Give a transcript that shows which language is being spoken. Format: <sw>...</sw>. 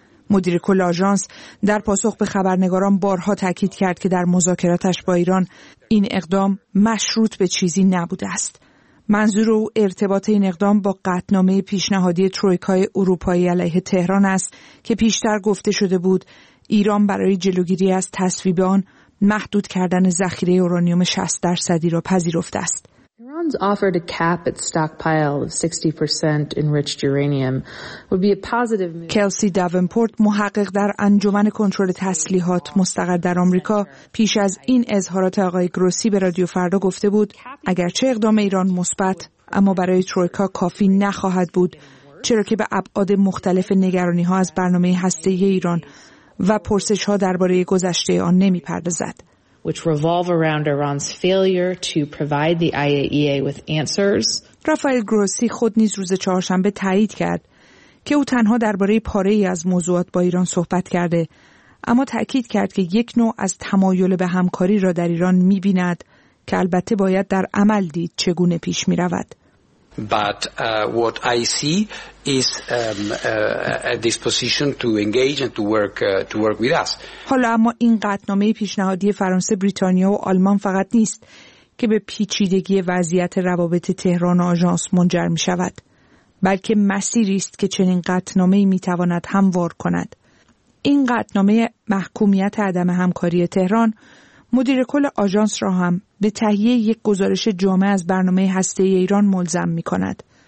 <fa>مدیر کل آژانس در پاسخ به خبرنگاران بارها تاکید کرد که در مذاکراتش با ایران این اقدام مشروط به چیزی نبوده است. منظور او ارتباط این اقدام با قطعنامه پیشنهادی ترویکای اروپایی علیه تهران است که پیشتر گفته شده بود ایران برای جلوگیری از تصویب آن محدود کردن ذخیره اورانیوم 60% را پذیرفته است.</fa> <en>Iran's offer to cap its stockpile of 60% enriched uranium would be a positive move.</en> <fa>کلسی داونپورت، محقق در انجمن کنترل تسلیحات مستقر در آمریکا، پیش از این اظهارات آقای گروسی به رادیو فردا گفته بود اگرچه اقدام ایران مثبت، اما برای ترویکا کافی نخواهد بود، چرا که به ابعاد مختلف نگرانی‌ها از برنامه هسته‌ای ایران و پرسش‌ها درباره گذشته آن نمی‌پردازد.</fa> <en>Which revolve around Iran's failure to provide the IAEA with answers.</en> <fa>رافائل گروسی خود نیز روز چهارشنبه تایید کرد که او تنها درباره پاره‌ای از موضوعات با ایران صحبت کرده، اما تأکید کرد که یک نوع از تمایل به همکاری را در ایران می‌بیند که البته باید در عمل دید چگونه پیش می‌رود.</fa> <en>But what I see is a disposition to engage and to work with us.</en> <fa>حالا اما این قطعنامه پیشنهادی فرانسه، بریتانیا و آلمان فقط نیست که به پیچیدگی وضعیت روابط تهران و آژانس منجر می شود، بلکه مسیری است که چنین قطعنامه‌ای می تواند هموار کند. این قطعنامه محکومیت عدم همکاری تهران، مدیر کل آژانس را هم به تهیه یک گزارش جامع از برنامه هسته‌ای ایران ملزم می کند.</fa>